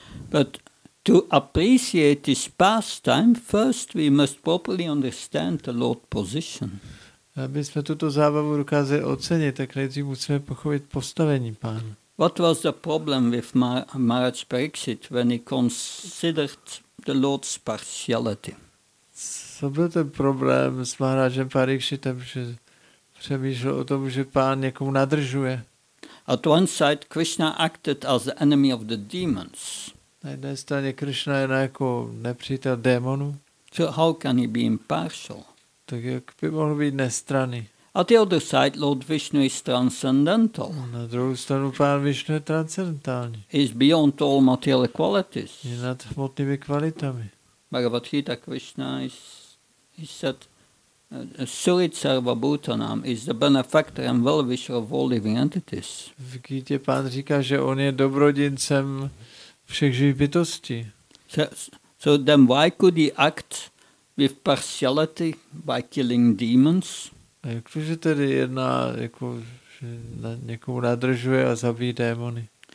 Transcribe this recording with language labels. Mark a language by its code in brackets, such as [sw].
[en] But to appreciate this pastime, first we must properly understand the Lord's position. [sk] Aby sme túto zábavu dokázali oceniť, tak najprv musíme pochopiť postavení pána. [en] What was the problem with marriage Brexit when he considered the Lord's partiality? [cs] Co byl ten problém s marriagem Brexitem, že přemýšlel o tom, že pán někomu nadržuje? [en] At one side, Krishna acted as the enemy of the demons. [cs] Na jedné straně Krishna je jako nepřítel démonů. [en] So how can he be impartial? [cs] Tak jak by mohl být nestranný? [en] At the other side, Lord Vishnu is transcendental. [cs] Na druhou stranu pán Vishnu je transcendentální. [en] He is beyond all material qualities. [cs] Je nad hmotnými kvalitami. [en] Bhagavad Gita Krishna is, he said, Surit Sarva Bhutanam is the benefactor and well-wisher of all living entities. [cs] V Gita pán říká, že on je dobrodincem všech živých bytostí. [en] So then why could he act with partiality by killing demons? [cs] A jak to, že tedy jedná, jako, že na, někomu nadržuje a zabíjí démony?